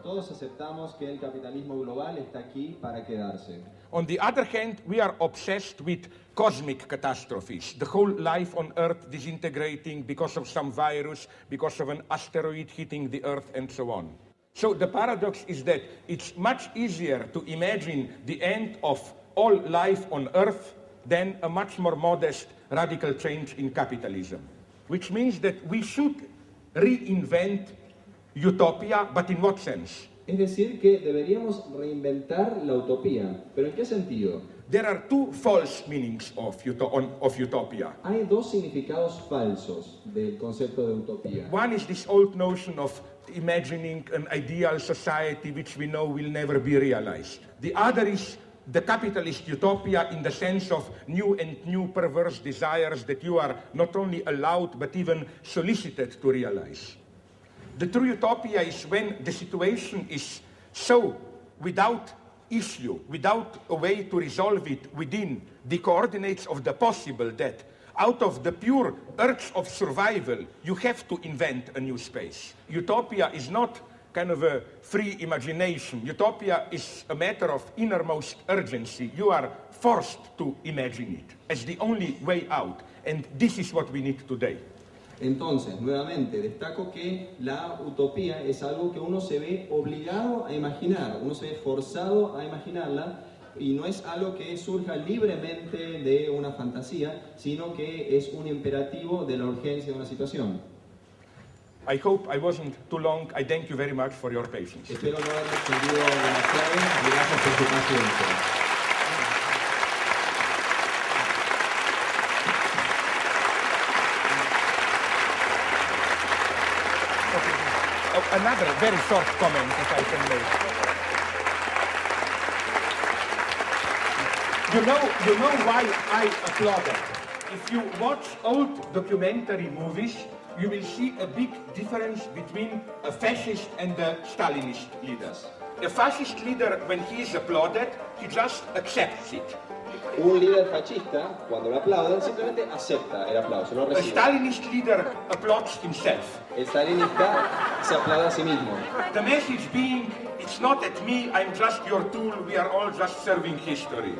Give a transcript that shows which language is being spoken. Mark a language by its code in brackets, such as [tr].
[es] Todos aceptamos que el capitalismo global está aquí para quedarse. [en] On the other hand, we are obsessed with cosmic catastrophes. The whole life on Earth disintegrating because of some virus, because of an asteroid hitting the Earth, and so on. So the paradox is that it's much easier to imagine the end of all life on Earth than a much more modest radical change in capitalism. Which means that we should reinvent utopia, but in what sense? [es] Es decir, que deberíamos reinventar la utopía. ¿Pero en qué sentido? [en] There are two false meanings of, of utopia. [es] Hay dos significados falsos del concepto de utopía. [en] One is this old notion of imagining an ideal society which we know will never be realized. The other is the capitalist utopia in the sense of new and new perverse desires that you are not only allowed but even solicited to realize. The true utopia is when the situation is so without issue, without a way to resolve it within the coordinates of the possible, that out of the pure urge of survival, you have to invent a new space. Utopia is not kind of a free imagination. Utopia is a matter of innermost urgency. You are forced to imagine it as the only way out. And this is what we need today. [es] Entonces, nuevamente, destaco que la utopía es algo que uno se ve obligado a imaginar, uno se ve forzado a imaginarla, y no es algo que surja libremente de una fantasía, sino que es un imperativo de la urgencia de una situación. [en] I hope I wasn't too long. I thank you very much for your patience. [es] Espero no haber extendido demasiado. Gracias por su paciencia. [en] Another very short comment, if I can make. You know why I applaud it? If you watch old documentary movies, you will see a big difference between a fascist and a Stalinist leader. A fascist leader, when he is applauded, he just accepts it. [es] Un líder fascista, cuando lo aplauden, simplemente acepta el aplauso, lo recibe. [en] A Stalinist leader applauds himself. [es] El stalinista se aplaude a sí mismo. [en] The message being, it's not at me, I'm just your tool, we are all just serving history.